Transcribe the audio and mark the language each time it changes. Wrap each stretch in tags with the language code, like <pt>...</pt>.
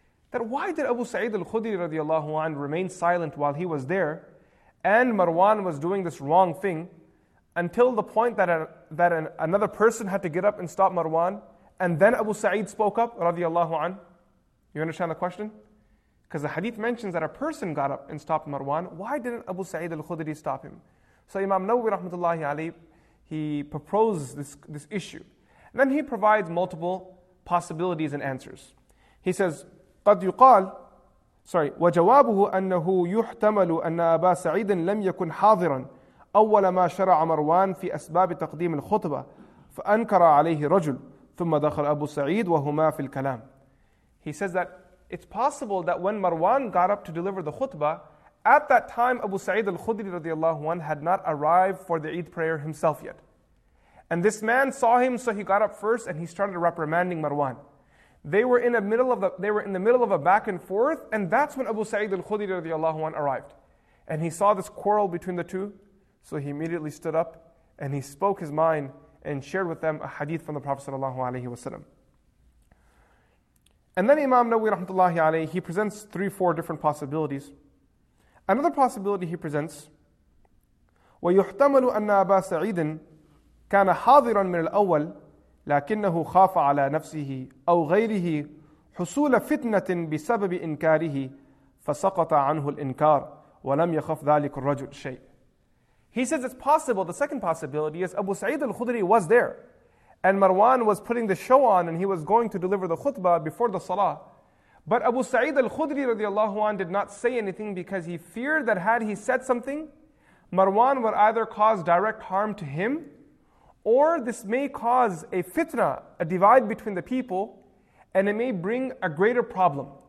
<en>That why did Abu Sa'id al-Khudri radiallahu anhu remain silent while he was there and Marwan was doing this wrong thing until the point that another person had to get up and stop Marwan, and then Abu Sa'id spoke up radiallahu anhu? You understand the question? Because the hadith mentions that a person got up and stopped Marwan. Why didn't Abu Sa'id al-Khudri stop him? So Imam Nawawi rahmatullahi alayhi, he proposes this issue. And then he provides multiple possibilities and answers. He says,</en> <ar>قد يقال</ar> <en>sorry</en> <ar>وجوابه أنه يحتمل أن أبا سعيد لم يكن حاضرا أول ما شرع مروان في أسباب تقديم الخطبة فأنكر عليه رجل ثم دخل أبو سعيد وهما في الكلام.</ar> <en>He says that it's possible that when Marwan got up to deliver the khutbah, at that time Abu Sa'id al-Khudri radiallahu anhu had not arrived for the Eid prayer himself yet. And this man saw him, so he got up first and he started reprimanding Marwan. They were in the middle of a back and forth, and that's when Abu Sa'id al-Khudri radiallahu anhu arrived. And he saw this quarrel between the two, so he immediately stood up and he spoke his mind and shared with them a hadith from the Prophet sallallahu alaihi wasallam. And then Imam Nawawi rahmatullahi alayhi, he presents three, four different possibilities. Another possibility he presents,</en> <ar>وَيُحْتَمَلُ أَنَّ أَبَا سَعِيدٍ كَانَ حَاضِرًا مِنَ الْأَوَّلِ لَكِنَّهُ خَافَ عَلَى نَفْسِهِ أَوْ غَيْرِهِ حُصُولَ فِتْنَةٍ بِسَبَبِ إِنْكَارِهِ فَسَقَطَ عَنْهُ الْإِنْكَارِ وَلَمْ يَخَفْ ذَلِكُ الرَّجُلُ شَيْءٍ.</ar> <en>He says it's possible, the second possibility is Abu Sa'id al-Khudri was there and Marwan was putting the show on and he was going to deliver the khutbah before the salah. But Abu Sa'id al-Khudri radiallahu anhu did not say anything because he feared that had he said something, Marwan would either cause direct harm to him, or this may cause a fitna, a divide between the people, and it may bring a greater problem.</en>